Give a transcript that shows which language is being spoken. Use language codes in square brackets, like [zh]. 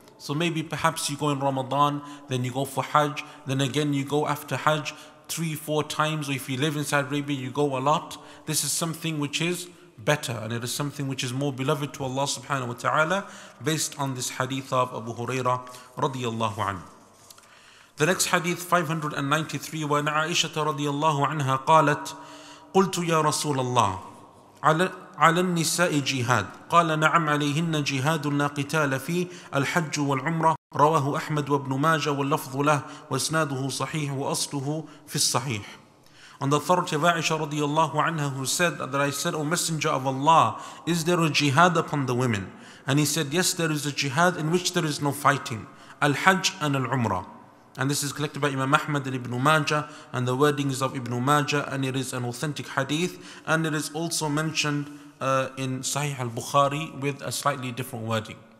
[en] So maybe perhaps you go in Ramadan, then you go for hajj, then again you go after hajj 3-4 times, or if you live in Saudi Arabia, you go a lot. This is something which is better, and it is something which is more beloved to Allah subhanahu wa ta'ala, based on this hadith of Abu Hurairah radiyallahu anhu. The next hadith, 593, [ar] وعن عائشة رضي الله عنها قالت قلت يا رسول الله على النساء جهاد قال نعم عليهن جهاد لا قتال فيه الحج والعمرة رواه أحمد وابن ماجة واللفظ له وإسناده صحيح وأصله في الصحيح. [en] On the authority of Aisha [ar] رضي الله عنها, [en] who said that I said, O Messenger of Allah, is there a jihad upon the women? And he said, yes, there is a jihad in which there is no fighting, al-hajj and al-umrah. And this is collected by Imam Ahmad and Ibn Majah, and the wordings of Ibn Majah, and it is an authentic hadith, and it is also mentioned in Sahih al-Bukhari with a slightly different wording.